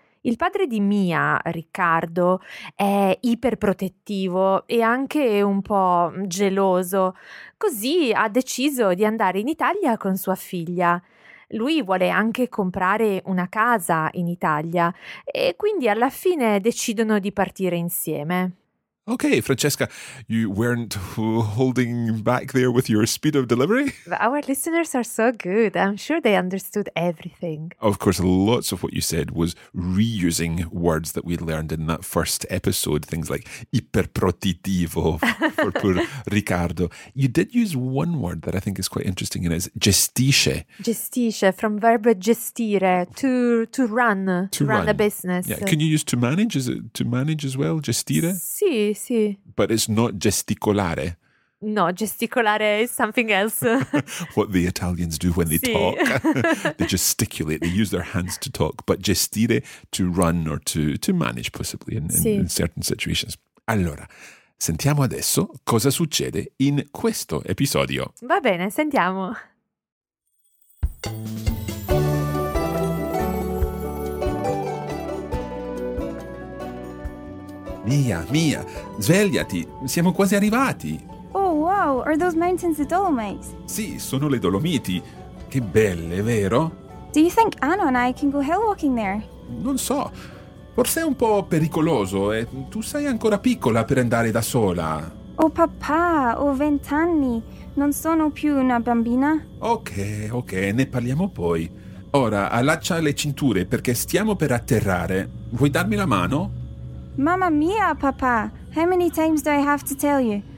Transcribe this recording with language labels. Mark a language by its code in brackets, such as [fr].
[it] Il padre di Mia, Riccardo, è iperprotettivo e anche un po' geloso. Così ha deciso di andare in Italia con sua figlia. Lui vuole anche comprare una casa in Italia e quindi alla fine decidono di partire insieme. [en] Ok, Francesca, you weren't holding back there with your speed of delivery? Our listeners are so good. I'm sure they understood everything. Of course, lots of what you said was reusing words that we learned in that first episode, things like iperprotettivo for poor Riccardo. You did use one word that I think is quite interesting, and it's gestisce. Gestisce, from verb gestire, to run a business. Yeah. Can you use to manage? Is it to manage as well, gestire? [it] Sì. [en] But it's not gesticolare. No, gesticulare is something else. What the Italians do when they talk. They gesticulate, they use their hands to talk. But gestire, to run or to manage possibly in certain situations. [it] Allora, sentiamo adesso cosa succede in questo episodio. Va bene, sentiamo. Mia, Mia, svegliati, siamo quasi arrivati. [en] Oh, wow, are those mountains the Dolomites? [it] Sì, sono le Dolomiti. Che belle, vero? [en] Do you think Anna and I can go hill walking there? [it] Non so, forse è un po' pericoloso e tu sei ancora piccola per andare da sola. Oh, papà, ho 20 anni, non sono più una bambina. Ok, ok, ne parliamo poi. Ora, allaccia le cinture perché stiamo per atterrare. Vuoi darmi la mano? Mamma mia, papà, [en] how many times do I have to tell you?